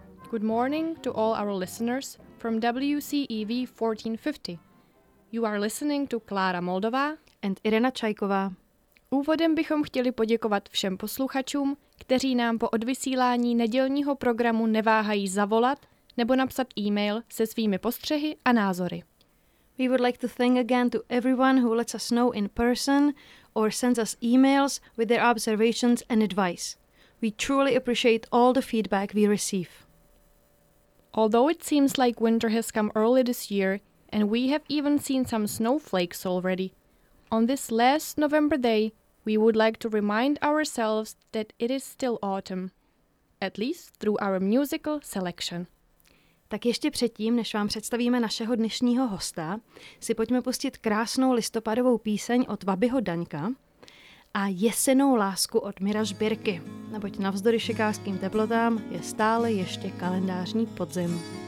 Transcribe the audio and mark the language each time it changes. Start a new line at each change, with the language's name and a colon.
English: Good morning to all our listeners from WCEV 1450. You are listening to Klára Moldová and Irena Čajková.
Czech: Úvodem bychom chtěli poděkovat všem posluchačům, kteří nám po odvysílání nedělního programu neváhají zavolat nebo napsat e-mail se svými postřehy a názory.
English: We would like to thank again to everyone who lets us know in person or sends us emails with their observations and advice. We truly appreciate all the feedback we receive. Although it seems like winter has come early this year, and we have even seen some snowflakes already, on this last November day, we would like to remind ourselves that it is still autumn, at least through our musical selection.
Czech: Tak ještě předtím, než vám představíme našeho dnešního hosta, si pojďme pustit krásnou listopadovou píseň od Vabyho Daňka a jesenou lásku od Mira Žbirky. Neboť navzdory šikářským teplotám je stále ještě kalendářní podzim.